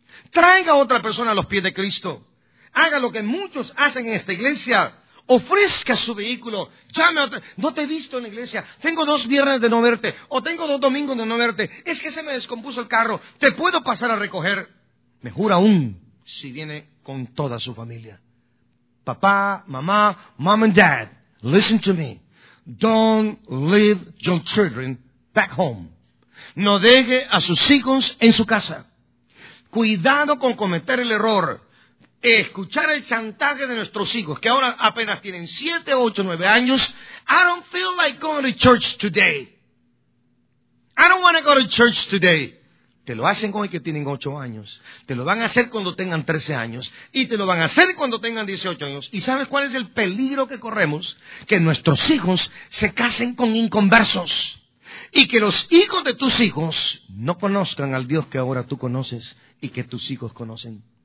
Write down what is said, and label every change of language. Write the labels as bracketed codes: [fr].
[es] Traiga a otra persona a los pies de Cristo. Haga lo que muchos hacen en esta iglesia. Ofrezca su vehículo. Llame a otra. No te he visto en la iglesia. Tengo dos viernes de no verte. O tengo dos domingos de no verte. Es que se me descompuso el carro. Te puedo pasar a recoger. Mejor aún si viene con toda su familia. Papá, mamá, [en] mom and dad, listen to me. Don't leave your children back home. [es] No deje a sus hijos en su casa. Cuidado con cometer el error. Escuchar el chantaje de nuestros hijos, que ahora apenas tienen 7, 8, 9 años. [en] I don't feel like going to church today. I don't want to go to church today. [es] Te lo hacen con el que tienen 8 años. Te lo van a hacer cuando tengan 13 años. Y te lo van a hacer cuando tengan 18 años. ¿Y sabes cuál es el peligro que corremos? Que nuestros hijos se casen con inconversos. Y que los hijos de tus hijos no conozcan al Dios que ahora tú conoces y que tus hijos conocen.